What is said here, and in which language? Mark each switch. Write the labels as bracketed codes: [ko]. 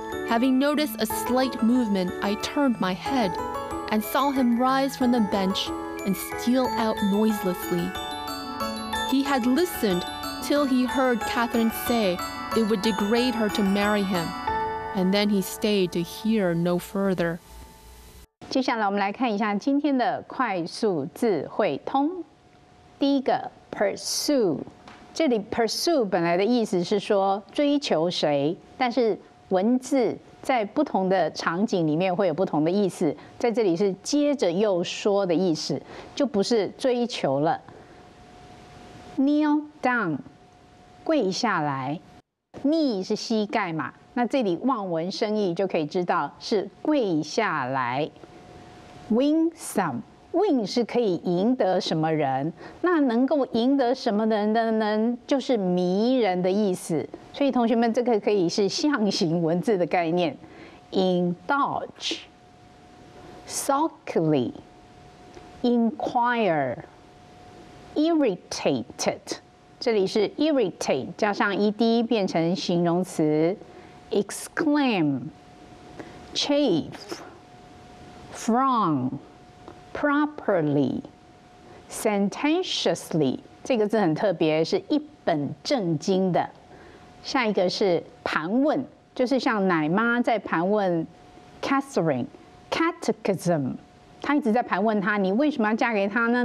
[en] Having noticed a slight movement, I turned my head and saw him rise from the bench and steal out noiselessly. He had listened till he heard Catherine say it would degrade her to marry him, and then he stayed to hear no further. [zh] 接下来我们来看一下今天的快速字汇通。第一个 pursue。这里 pursue 本来的意思是说追求谁，但是文字在不同的场景里面会有不同的意思，在这里是接着又说的意思，就不是追求了。 Kneel down， 跪下来。 Knee 是膝盖嘛，那这里望文生义就可以知道是跪下来。 [en] Win some。 [zh] Win 是可以赢得什么人，那能够赢得什么人的呢，就是迷人的意思，所以同学们这个可以是象形文字的概念。 Indulge Sulkily Inquire Irritated， 这里是 irritate 加上 ed 变成形容词。 Exclaim Chafe Frown Properly, sententiously， 这个字很特别，是一本正经的。下一个是盘问，就是像奶妈在盘问 Catherine， catechism， 她一直在盘问她，你为什么要嫁给他呢？